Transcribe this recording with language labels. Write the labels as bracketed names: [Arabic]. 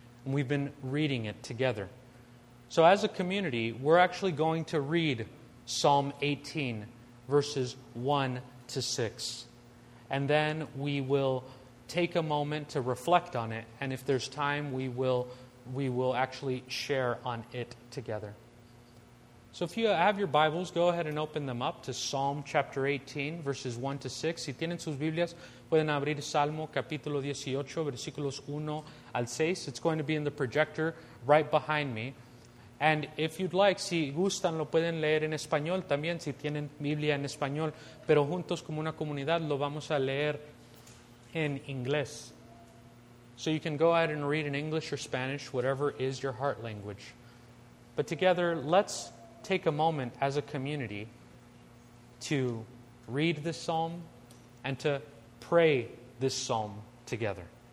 [English] And we've been reading it together. So as a community, we're actually going to read Psalm 18, verses 1 to 6. And then we will take a moment to reflect on it. And if there's time, we will actually share on it together. So if you have your Bibles, go ahead and open them up to Psalm chapter 18, verses 1 to 6. [Spanish] Si tienen sus Biblias, pueden abrir Salmo capítulo 18, versículos 1 al 6. [English] It's going to be in the projector right behind me. And if you'd like, [Spanish] si gustan, lo pueden leer en español también, si tienen Biblia en español. Pero juntos como una comunidad lo vamos a leer en inglés. [English] So you can go ahead and read in English or Spanish, whatever is your heart language. But together, let's take a moment as a community to read this psalm and to pray this psalm together.